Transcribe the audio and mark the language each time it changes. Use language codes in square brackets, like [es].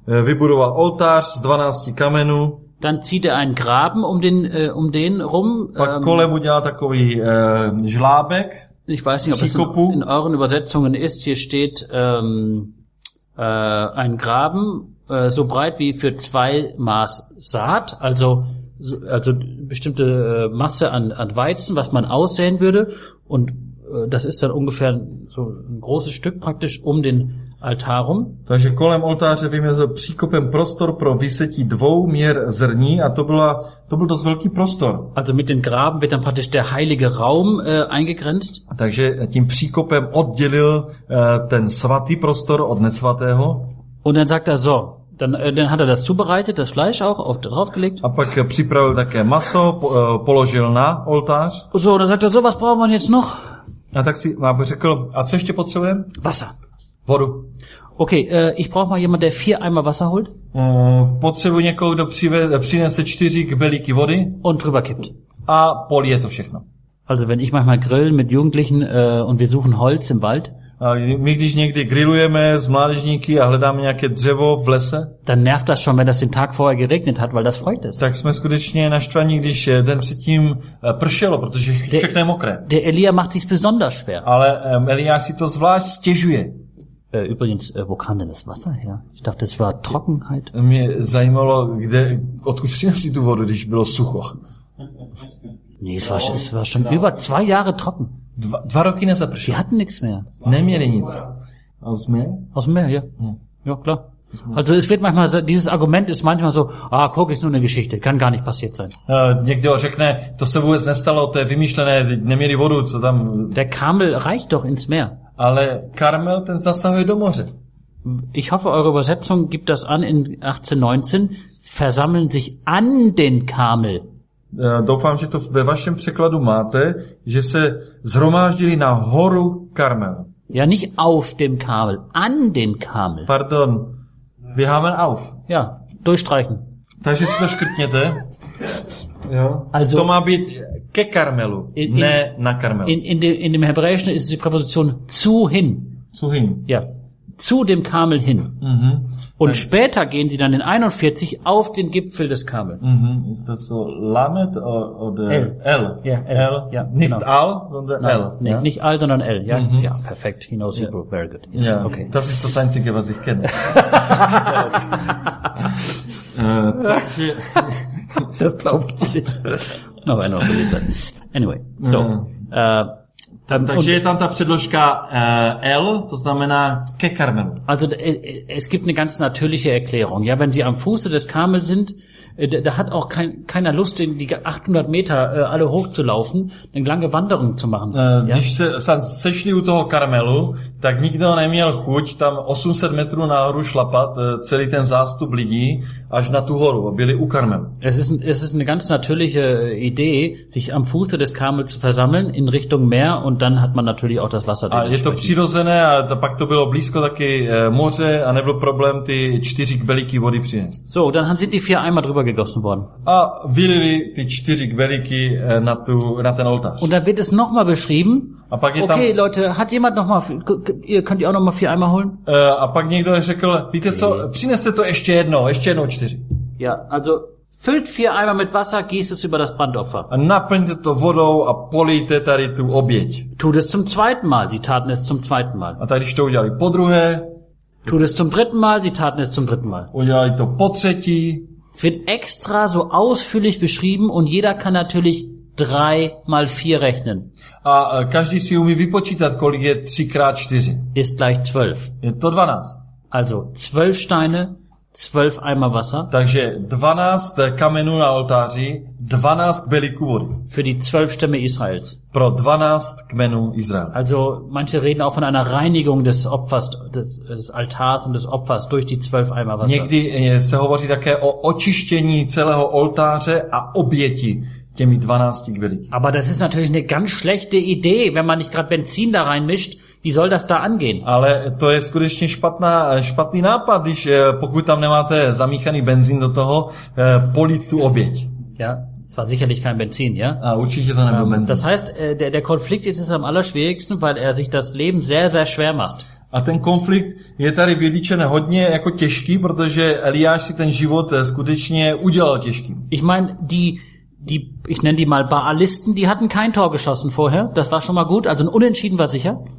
[cs] Vybudoval oltář z 12 kamenů. [de] Dann zieht er einen Graben um den rum. [cs] Pak kolem udělá takový žlábek. [de] Ich weiß nicht, ob es in euren Übersetzungen ist. Hier steht ein Graben so breit wie für zwei Maß Saat. Also also bestimmte Masse an Weizen, was man aussäen würde, und das ist dann ungefähr so ein großes Stück praktisch um den Altar rum. [cs] Takže kolem oltáře vymezil příkopem prostor pro vysetí dvou měr zrní, a to byl dost velký prostor. [de] Also mit den Graben wird dann praktisch der heilige Raum eingegrenzt. [cs] Takže tím příkopem oddělil ten svatý prostor od nesvatého. [de] Und dann sagt er so, dann hat er das zubereitet, das Fleisch auch auf draufgelegt. [cs] A pak připravil také maso, položil na oltář. [de] So, dann sagt er so, was brauchen wir jetzt noch? [cs] A tak si mám řekl, a co ještě potřebujeme? [de] Wasser. [cs] Vodu. [de] Okay, ich brauche mal jemand, der 4 Eimer Wasser holt. [cs] Potřebuji někoho, kdo přinese 4 kbelíky vody. [de] Und drüber kippt. [cs] A polije to všechno. [de] Also wenn ich manchmal grillen mit Jugendlichen und wir suchen Holz im Wald. [cs] My když někdy grillujeme s mládežníky a hledáme nějaké dřevo v lese. [de] Dann nervt das schon, wenn das den Tag vorher geregnet hat, weil das feucht ist. [cs] Tak jsme skutečně naštvaní, když den předtím pršelo, protože všechno je mokré. [de] Der Elia macht sich besonders schwer. [cs] Ale Eliáš si to zvlášť stěžuje. [de] Übrigens, wo kam denn das Wasser her? Ich dachte, es war Trockenheit. [cs] Mě zajímalo, odkud přinesli tu vodu, když bylo sucho. [de] Nee, es war schon über 2 Jahre trocken. [cs] Dva roky nezapršilo. [de] Die hatten nichts mehr. [cs] Neměli nic. [de] Aus dem Meer? Aus dem Meer, ja. Ja, klar. Also es wird manchmal, dieses Argument ist manchmal so, guck, ist nur eine Geschichte, kann gar nicht passiert sein. [cs] Někdo řekne, to se vůbec nestalo, to je vymýšlené, neměli vodu, co tam... [de] Der Karmel reicht doch ins Meer. [cs] Ale Karmel, ten zasahuje do moře. [de] Ich hoffe, eure Übersetzung gibt das an in 1819. Versammeln sich an den Karmel. [cs] Doufám, že to ve vašem překladu máte, že se zhromáždili na horu Karmel. [de] Ja, nicht auf dem Karmel, an den Karmel. Pardon, wir haben auf. Ja, durchstreichen. [cs] Takže si to škrtněte. [de] Ja. Also, [cs] to má být ke Karmelu, ne na Karmelu. [de] In dem Hebräischen ist die Präposition zu hin. Zu hin. Ja, zu dem Karmel hin. Mhm. Und später gehen sie dann in 41 auf den Gipfel des Karmel. Mhm. Ist das so Lamet oder L? L. Yeah, L. L. Ja, nicht genau. Al, sondern L. Nee, ja? Nicht Al, sondern L. Ja, mhm. Ja, perfekt. [en] He knows Hebrew. Yeah. Very good. Yes. Ja, okay. [de] Das ist das Einzige, was ich kenne. Das glaube ich nicht. [en] No, I don't believe that. Anyway, so... [cs] Takže je tam ta předložka L, to znamená ke Karmelu. [de] Also es gibt eine ganz natürliche Erklärung. Ja, wenn sie am Fuße des Karmel sind, da hat auch keiner Lust, in die 800 Meter alle hochzulaufen, eine lange Wanderung zu machen. [cs] Když se šli u toho Karmelu, tak nikdo neměl chuť tam 800 metrů nahoru šlapat celý ten zástup lidí až na tu horu, byli u Karmelu. [de] Es ist eine ganz natürliche Idee, sich am Fuße des Karmel zu versammeln in Richtung Meer. Und dann hat man natürlich auch das Wasser. [cs] A je to přirozené, a pak to bylo blízko taky moře a nebyl problém ty 4 kbelíky vody přinést. [de] So, dann sind die 4 Eimer drüber gegossen worden. [cs] A vylili ty 4 kbelíky na ten oltář. [de] Und dann wird es noch mal beschrieben. [cs] A pak je okay, tam... [de] Leute, hat jemand noch mal, ihr könnt ihr auch noch mal 4 Eimer holen? [cs] A pak někdo řekl, víte co, přineste to ještě jednou 4. [de] Ja, also füllt 4 Eimer mit Wasser, gießt es über das Brandopfer. [cs] Naplňte to vodou a polijte tady tu oběť. [de] Tut es zum zweiten Mal, sie taten es zum zweiten Mal. [cs] A tady to udělali po druhé. [de] Tut es zum dritten Mal, sie taten es zum dritten Mal. [cs] Udělali to po třetí. [de] Es wird extra so ausführlich beschrieben und jeder kann natürlich 3 mal 4 rechnen. [cs] A každý si umí vypočítat, kolik je 3 krát 4. [de] Ist gleich 12. [cs] Je to 12. [de] Also 12 Steine, 12 Eimer Wasser. [cs] Takže 12 kamenů na oltáři, 12 kbelíků vody. [de] Für die 12 Stämme Israels. [cs] Pro 12 kmenů Izraela. [de] Also manche reden auch von einer Reinigung des Opfers, des Altars und des Opfers durch die 12 Eimer Wasser. [cs] Někdy se hovoří také o očištění celého oltáře a oběti těmi 12 kbelíky. [de] Aber das ist natürlich eine ganz schlechte Idee, wenn man nicht gerade Benzin da reinmischt. Wie soll das da angehen? [cs] Ale to je skutečně špatný nápad, když pokud tam nemáte zamíchaný benzín do toho, polít tu oběť. [de] Ja, es war sicherlich kein Benzin, ja? [cs] A určitě to nebyl benzín. [de] Das heißt, der Konflikt ist es am allerschwierigsten, weil er sich das Leben sehr, sehr schwer macht. [cs] A ten konflikt je tady vylíčen hodně jako těžký, protože Eliáš si ten život skutečně udělal těžkým. [de] Ich meine, ich nenne die mal Baalisten, die hatten kein Tor geschossen vorher, das war schon mal gut, also ein Unentschieden war sicher.